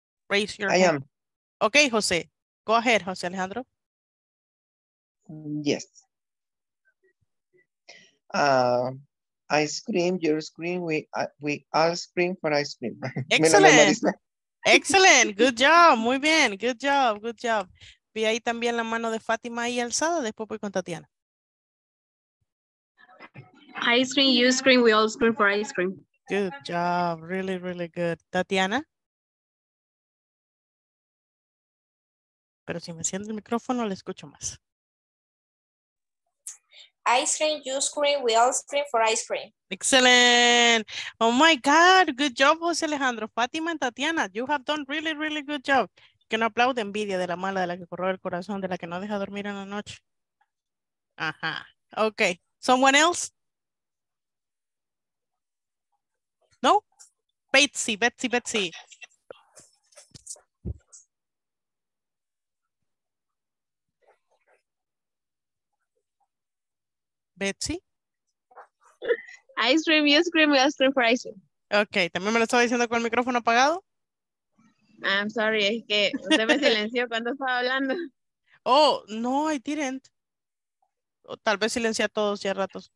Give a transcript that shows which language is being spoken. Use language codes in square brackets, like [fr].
[en] Raise your hand. I am. Okay, Jose. Go ahead, Jose Alejandro. Yes. Ice cream, your screen, we all scream for ice cream. Excellent. Excellent. Good job. [es] Muy bien. [en] Good job. Good job. [es] Vi ahí también la mano de Fátima ahí alzada. Después voy con Tatiana. [en] Ice cream, you scream, we all scream for ice cream. Good job. Really, really good. Tatiana. [es] Pero si me enciende el micrófono, le escucho más. [en] Ice cream, you scream, we all scream for ice cream. Excellent. Oh my God, good job, Jose Alejandro. Fátima and Tatiana, you have done really, really good job. [es] Que no aplaude envidia de la mala, de la que corró el corazón, de la que no deja dormir en la noche. [en] Ajá. Okay. Someone else? No? Betsy. Betsy? Ice cream, you scream, we all scream for ice cream. [es] Okay, también me lo estaba diciendo con el micrófono apagado. [en] I'm sorry, [es] es que usted me silenció cuando estaba hablando. [en] Oh, no, I didn't. [es] O tal vez silencié a todos ya ratos.